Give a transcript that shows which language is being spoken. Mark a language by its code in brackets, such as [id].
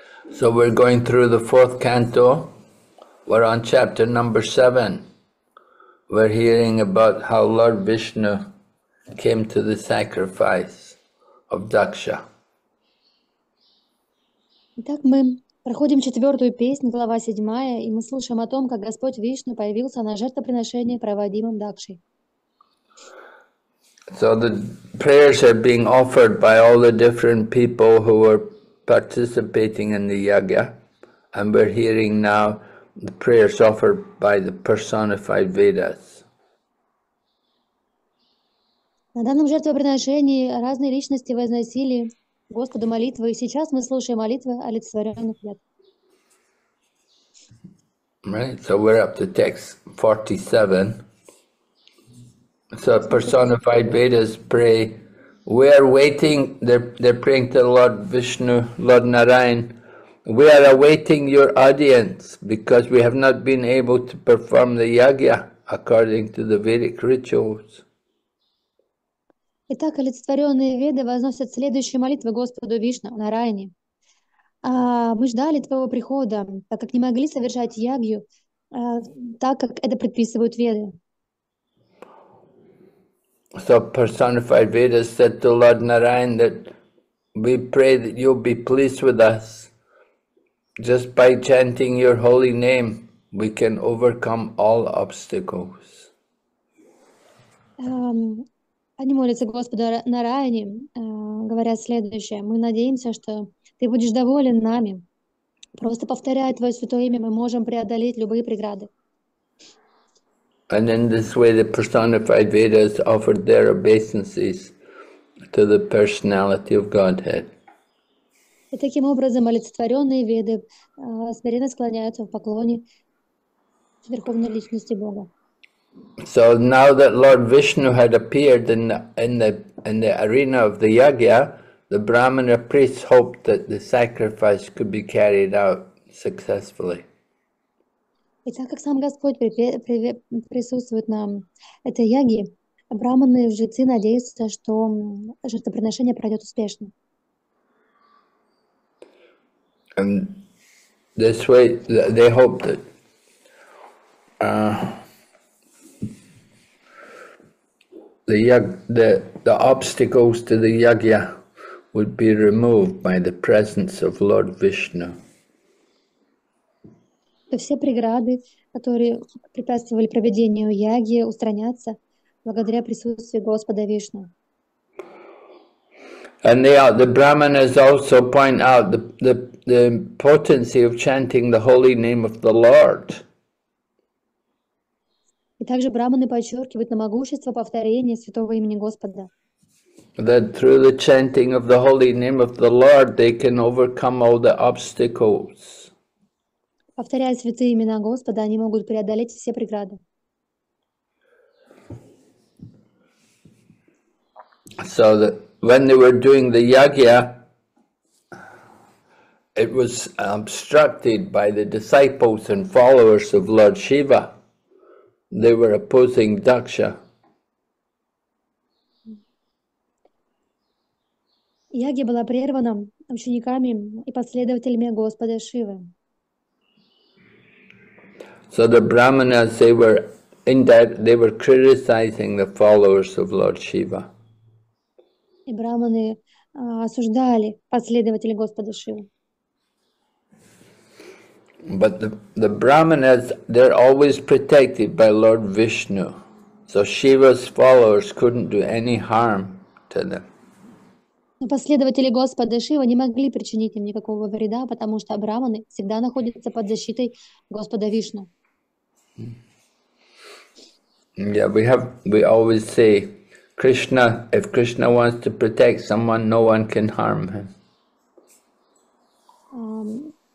[en] So we're going through the fourth canto. We're on chapter number 7. We're hearing about how Lord Vishnu came to the sacrifice of Daksha. [ru] Итак, мы проходим четвертую песню, глава седьмая, и мы слушаем о том, как Господь Вишну появился на жертвоприношение, проводимом Дакшей. [en] The prayers are being offered by all the different people who were participating in the yajna, and we're hearing now the prayers offered by the personified Vedas. [ru] На данном жертвоприношении разные личности возносили Господу молитвы, и сейчас мы слушаем молитвы олицетворенных ветвей. [en] Right, so we're up to text 47. So personified 47. Vedas pray. We are waiting, they're praying to Lord Vishnu, Lord Narayan. We are awaiting your audience because we have not been able to perform the yajna according to the Vedic rituals. [ru] Итак, олицетворенные веды возносят следующие молитвы Господу Вишну на Райне. Мы ждали твоего прихода, так как не могли совершать ягью, так как это предписывают веды. [en] So personified Vedas said to Lord Narayan that we pray that you'll be pleased with us. Just by chanting your holy name, we can overcome all obstacles. [ru] Они молятся Господу Нараяне, говоря следующее: «Мы надеемся, что ты будешь доволен нами. Просто повторяя твое святое имя, мы можем преодолеть любые преграды». [en] And in this way, the personified Vedas offered their obeisances to the personality of Godhead. [ru] И таким образом олицетворенные веды смиренно склоняются в поклоне Верховной Личности Бога. [en] So now that Lord Vishnu had appeared in the arena of the yajna, the Brahmana priests hoped that the sacrifice could be carried out successfully. [ru] И так как сам Господь присутствует на этой яге, браманы и жрецы надеются, что жертвоприношение пройдет успешно. [en] And this way, they hope that the obstacles to the yajna would be removed by the presence of Lord Vishnu. [ru] Все преграды, которые препятствовали проведению яги, устранятся благодаря присутствию Господа Вишну. [en] And the Brahmanas also point out the potency of chanting the holy name of the Lord. [ru] И также браманы подчеркивают на могущество повторения святого имени Господа. [en] That through the chanting of the holy name of the Lord, they can overcome all the obstacles. [ru] Повторяя святые имена Господа, они могут преодолеть все преграды. [en] So that when they were doing the yajna, it was obstructed by the disciples and followers of Lord Shiva. They were opposing Daksha. [ru] Яги была прервана учениками и последователями Господа Шивы. [en] So the Brahmanas, they were in that, they were criticizing the followers of Lord Shiva. [ru] И браманы осуждали последователей Господа Шивы. [en] But the Brahmanas, they're always protected by Lord Vishnu. So Shiva's followers couldn't do any harm to them. [ru] Но последователи Господа Шивы не могли причинить им никакого вреда, потому что браманы всегда находятся под защитой Господа Вишну. [en] We always say, Krishna, if Krishna wants to protect someone, no one can harm him.